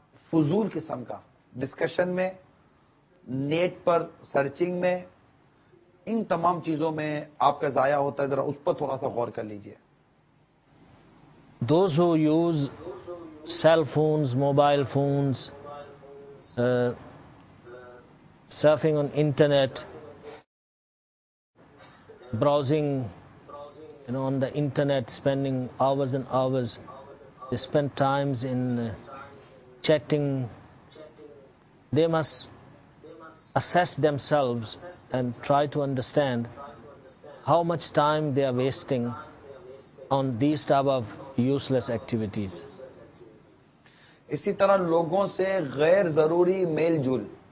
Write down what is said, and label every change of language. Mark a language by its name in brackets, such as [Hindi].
[Urdu] فضول قسم کا ڈسکشن میں نیٹ پر سرچنگ میں ان تمام چیزوں میں آپ کا ضائع ہوتا ہے ذرا اس پر تھوڑا سا غور کر لیجئے. [English] Those who use cell phones, mobile phones, surfing on internet, browsing, you know, on the internet, spending hours and hours, they spend times in chatting, they must assess themselves and try to understand how much time they are wasting on these type of useless activities. [Urdu] اسی طرح لوگوں سے غیر ضروری میل جول.